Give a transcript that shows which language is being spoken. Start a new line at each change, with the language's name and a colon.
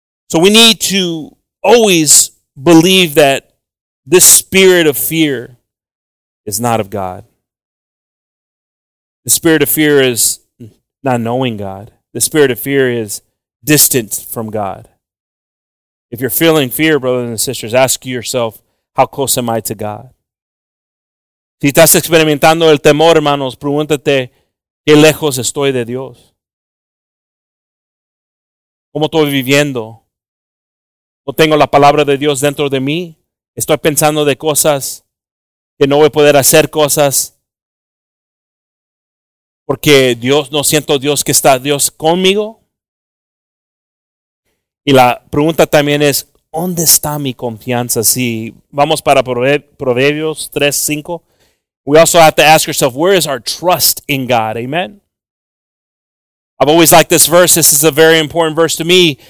English: So we need to always believe that this spirit of fear is not of God. The spirit of fear is not knowing God. The spirit of fear is distant from God. If you're feeling fear, brothers and sisters, ask yourself, how close am I to God?
Spanish: Si estás experimentando el temor, hermanos, pregúntate, ¿qué lejos estoy de Dios? ¿Cómo estoy viviendo? ¿No tengo la palabra de Dios dentro de mí? ¿Estoy pensando de cosas que no voy a poder hacer cosas? ¿Porque Dios, no siento Dios que está Dios conmigo? Y la pregunta también es, ¿dónde está mi confianza? Si vamos para Proverbios 3:5.
English: We also have to ask yourself, where is our trust in God? Amen? I've always liked this verse. This is a very important verse to me.